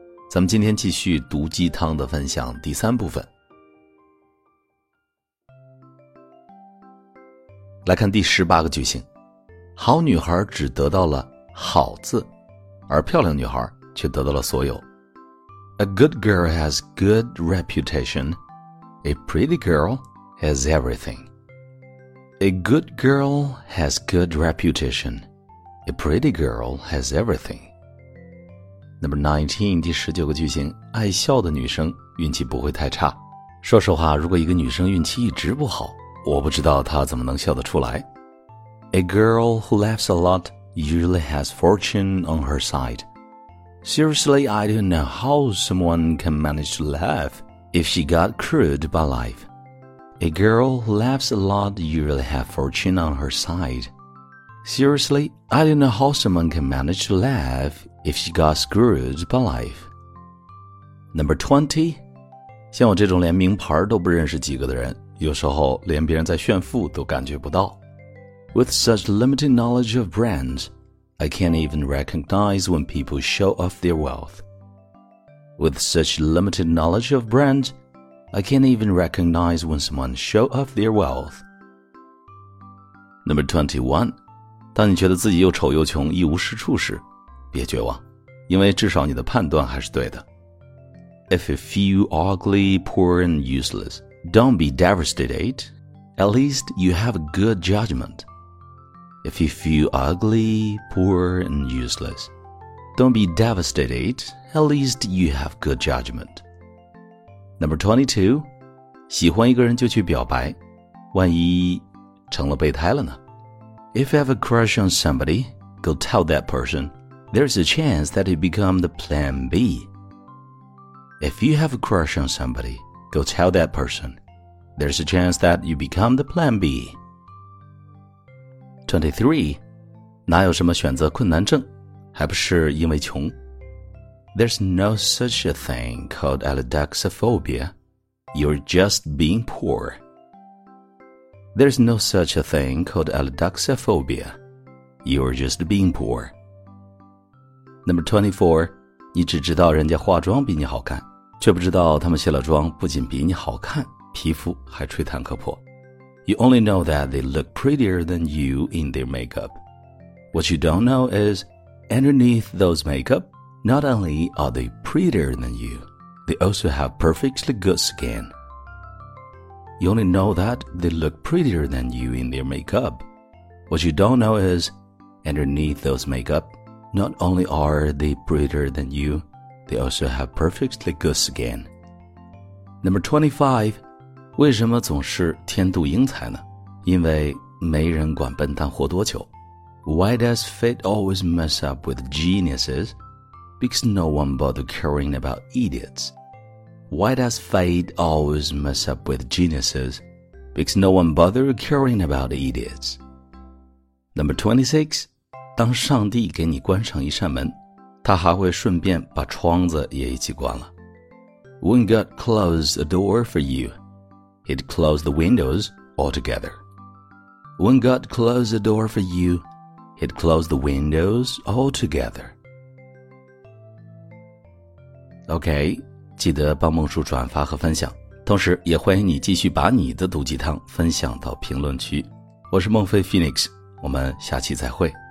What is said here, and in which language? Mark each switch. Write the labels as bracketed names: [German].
[Chinese] 咱们今天继续毒鸡汤的分享第三部分，来看第十八个句型。好女孩只得到了好字，而漂亮女孩却得到了所有。 [English] A good girl has good reputation. A pretty girl has everything. A good girl has good reputation. A pretty girl has everything. Number 19, [Chinese] 第十九个句型，爱笑的女生运气不会太差。说实话，如果一个女生运气一直不好，我不知道她怎么能笑得出来。 [English] A girl who laughs a lot usually has fortune on her side. Seriously, I don't know how someone can manage to laugh if she got crude by life. A girl who laughs a lot usually has fortune on her side. Seriously, I don't know how someone can manage to laugh if she got screwed by life. Number 20. [Chinese] 像我这种连名牌都不认识几个的人，有时候连别人在炫富都感觉不到。 [English] With such limited knowledge of brands, I can't even recognize when people show off their wealth. With such limited knowledge of brands, I can't even recognize when someone show off their wealth. Number 21. [Chinese] 当你觉得自己又丑又穷一无是处时，别绝望，因为至少你的判断还是对的。 [English] If you feel ugly, poor and useless, don't be devastated. At least you have a good judgment. If you feel ugly, poor, and useless, don't be devastated. At least you have good judgment. Number 22. [Chinese] 喜欢一个人就去表白，万一成了备胎了呢？ [English] If you have a crush on somebody, go tell that person. There's a chance that you become the plan B. If you have a crush on somebody, go tell that person. There's a chance that you become the plan B. [Chinese] 23. 哪有什么选择困难症，还不是因为穷。 [English] There's no such a thing called alidexophobia. You're just being poor. There's no such a thing called alidexophobia. You're just being poor. Number 24. [Chinese] 你只知道人家化妆比你好看，却不知道他们卸了妆不仅比你好看，皮肤还吹弹可破。 [English] You only know that they look prettier than you in their makeup. What you don't know is, underneath those makeup, not only are they prettier than you, they also have perfectly good skin. You only know that they look prettier than you in their makeup. What you don't know is, underneath those makeup, not only are they prettier than you, they also have perfectly good skin. Number 25. [Chinese] 为什么总是天妒英才呢？因为没人管笨蛋活多久。 [English] Why does fate always mess up with geniuses? Because no one bothers caring about idiots. Why does fate always mess up with geniuses? Because no one bothers caring about idiots. Number 26. [Chinese] 当上帝给你关上一扇门，他还会顺便把窗子也一起关了。 [English] When God closes a door for you,He'd close the windows altogether. When God closed the door for you, He'd close the windows altogether. [Chinese] OK, 记得帮孟叔转发和分享，同时也欢迎你继续把你的毒鸡汤分享到评论区。我是孟非 Phoenix, 我们下期再会。